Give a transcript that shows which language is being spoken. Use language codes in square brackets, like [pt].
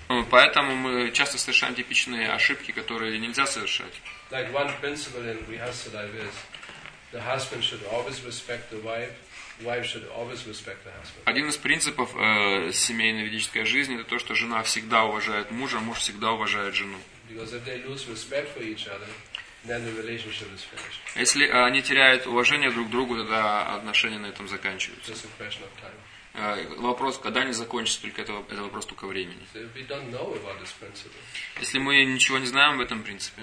[ru] Поэтому мы часто совершаем типичные ошибки, которые нельзя совершать. [en] Like one principle in Grihastha life is, the husband should always respect the wife. Wife should always respect the husband. [ru] Один из принципов семейной ведической жизни это то, что жена всегда уважает мужа, муж всегда уважает жену. [en] Because if they lose respect for each other, then the relationship is finished. [ru] Если они теряют уважение друг к другу, тогда отношения на этом заканчиваются. [en] Just a question of time. [ru] Вопрос, когда они закончатся, только это вопрос только времени. [en] So we don't know about this principle. [ru] Если мы ничего не знаем об этом принципе.